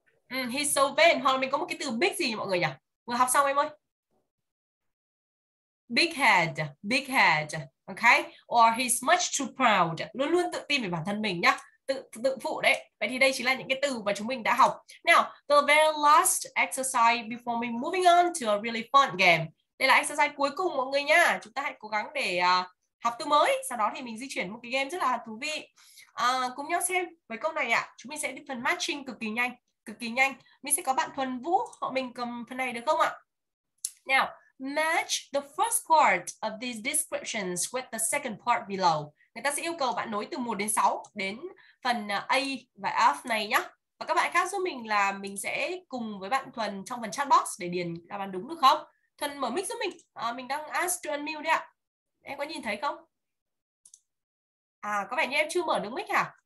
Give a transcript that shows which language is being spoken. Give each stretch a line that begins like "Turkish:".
English: He's so vain.
Vietnamese: Hoặc là mình có một cái từ big gì mọi người nhỉ? Vừa học xong em ơi.
English: Big head, okay? Or he's much too proud.
Vietnamese: Luôn luôn tự tin về bản thân mình nhá. Tự phụ đấy. Vậy thì đây chính là những cái từ mà chúng mình đã học.
English: Now, the very last exercise before we moving on to a really fun game.
Vietnamese: Đây là exercise cuối cùng mọi người nhá. Chúng ta hãy cố gắng để học từ mới. Sau đó thì mình di chuyển một cái game rất là thú vị. Cùng nhau xem với câu này ạ. Chúng mình sẽ đi phần matching cực kỳ nhanh. Mình sẽ có bạn Thuần Vũ họ mình cầm phần này được không ạ?
English: Now, match the first part of these descriptions with the second part below.
Vietnamese: Người ta sẽ yêu cầu bạn nối từ 1 đến 6 đến phần A và F này nhá. Và các bạn khác giúp mình là mình sẽ cùng với bạn Thuần trong phần chat box để điền đáp án đúng được không? Thuần mở mic giúp mình. Mình đang
English: ask to unmute
Vietnamese: đấy ạ. Em có nhìn thấy không? À, có vẻ như em chưa mở được mic hả?